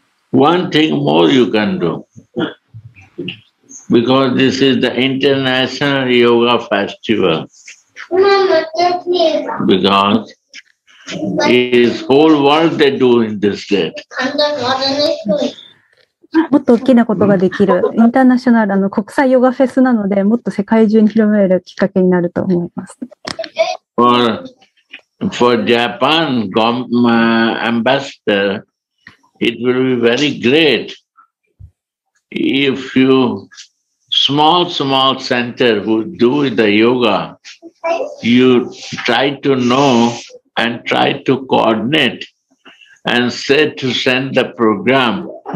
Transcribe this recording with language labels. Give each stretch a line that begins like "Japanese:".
English: One thing more you can do, because this is the International Yoga Festival, because it is whole world they do in this day.
Japanese: もっと大きなことができる。インターナショナル、国際ヨガフェスなので、もっと世界中に広めるきっかけになると思います。
English: For Japan ambassador, it will be very great if you small center who do the yoga, you try to know and try to coordinate and say to send the program.